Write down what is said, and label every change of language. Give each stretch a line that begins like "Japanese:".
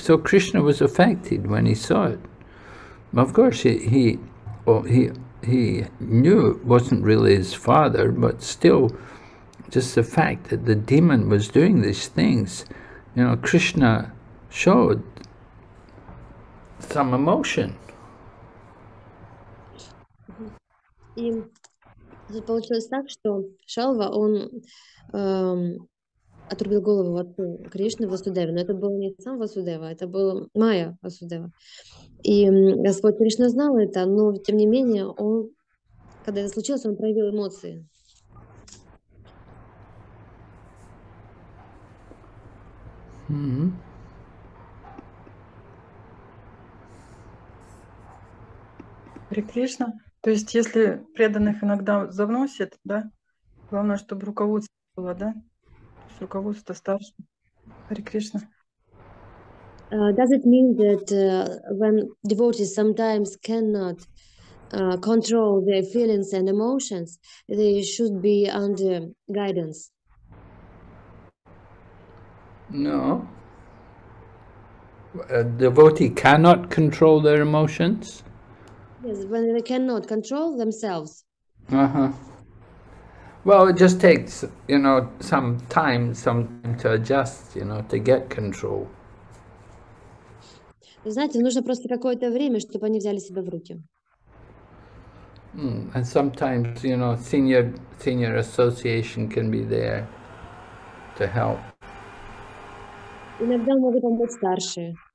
English: So Krishna was affected when he saw it. Of course, he knew it wasn't really his father, but still, just the fact that the demon was doing these things, you know, Krishna showed some emotion.
Russian: И получилось так, что Шалва, он отрубил голову от Кришны Васудеве, но это был не сам Васудева, это был Майя Васудева. И Господь Кришна знал это, но тем не менее, он, когда это случилось, он проявил эмоции. Хари Кришна, то есть если преданных иногда заносит, да, главное, чтобы руководство было, да? Руководство старшего. Хари Кришна.
English: Does it mean that when devotees sometimes cannot control their feelings and emotions, they should be under guidance? No. A devotee cannot control their emotions? Yes, when they cannot control themselves. Uh-huh. Well, it just takes, you know, some time to adjust, you know, to get control.
Russian: Знаете, нужно просто какое-то время, чтобы они взяли себя в руки.
English: And sometimes, you know, senior association can be there to help.
Russian: Иногда могут помочь старшие.